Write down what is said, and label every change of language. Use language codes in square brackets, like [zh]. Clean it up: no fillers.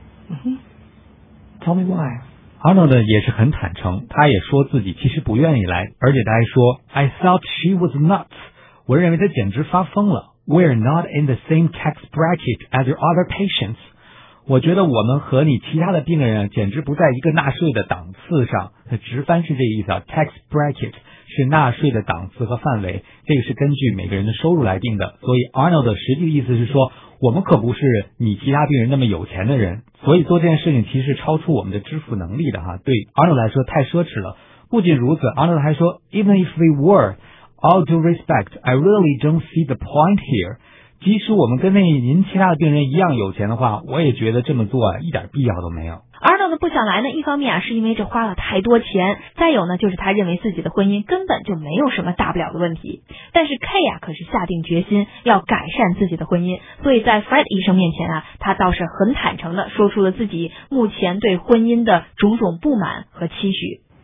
[en] Mm-hmm. Tell me why. [zh] Arnold 也是很坦诚，他也说自己其实不愿意来，而且他还说 [en] I thought she was nuts. [zh] 我认为他简直发疯了。 [en] We're not in the same tax bracket as your other patients. [zh] 我觉得我们和你其他的病人简直不在一个纳税的档次上。直翻是这意思啊， tax bracket. 是纳税的档次和范围，这个是根据每个人的收入来定的。所以 Arnold 的实际意思是说，我们可不是你其他病人那么有钱的人，所以做这件事情其实超出我们的支付能力的哈。对 Arnold 来说太奢侈了。不仅如此， Arnold 还说 [en] Even if we were, all due respect, I really don't see the point here. [zh] 即使我们跟那您其他的病人一样有钱的话，我也觉得这么做啊，一点必要都没有。 Arnold 不想来呢，一方面啊是因为这花了太多钱，再有呢就是他认为自己的婚姻根本就没有什么大不了的问题。但是 K 啊可是下定决心要改善自己的婚姻，所以在 Fred 医生面前啊，他倒是很坦诚的说出了自己目前对婚姻的种种不满和期许。